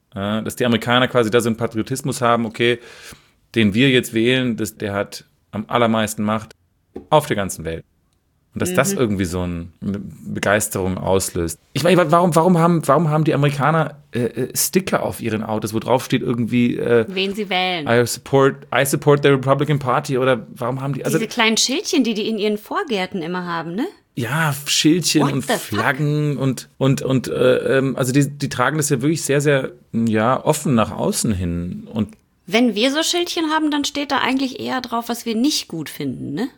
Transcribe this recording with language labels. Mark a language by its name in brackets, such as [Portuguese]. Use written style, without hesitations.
[German] Dass die Amerikaner quasi da so einen Patriotismus haben, okay, den wir jetzt wählen, der hat am allermeisten macht auf der ganzen Welt. Und dass das irgendwie so eine Begeisterung auslöst. Ich meine, warum haben die Amerikaner Sticker auf ihren Autos, wo drauf steht irgendwie... wen sie wählen. [English] I support the Republican Party. [German] Oder warum haben die... Also, diese kleinen Schildchen, die in ihren Vorgärten immer haben, ne? Ja, Schildchen What und Flaggen. Fuck? Und also die tragen das ja wirklich sehr, sehr ja offen nach außen hin. Und wenn wir so Schildchen haben, dann steht da eigentlich eher drauf, was wir nicht gut finden, ne?